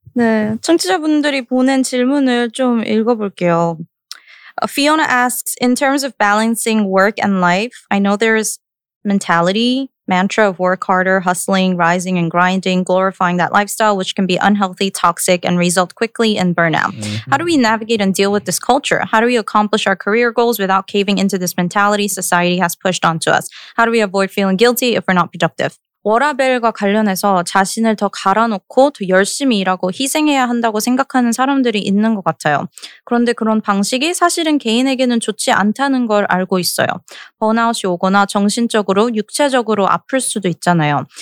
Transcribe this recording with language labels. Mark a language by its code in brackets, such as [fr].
[ko] 네, 청취자분들이 보낸 질문을 좀 읽어볼게요. [en] Fiona asks, in terms of balancing work and life, I know there's mentality, mantra of work harder, hustling, rising and grinding, glorifying that lifestyle, which can be unhealthy, toxic, and result quickly in burnout. Mm-hmm. How do we navigate and deal with this culture? How do we accomplish our career goals without caving into this mentality society has pushed onto us? How do we avoid feeling guilty if we're not productive? [ko] 워라벨과 관련해서 자신을 더 갈아놓고 더 열심히 일하고 희생해야 한다고 생각하는 사람들이 있는 것 같아요. 그런데 그런 방식이 사실은 개인에게는 좋지 않다는 걸 알고 있어요. 번아웃이 오거나 정신적으로, 육체적으로 아플 수도 있잖아요.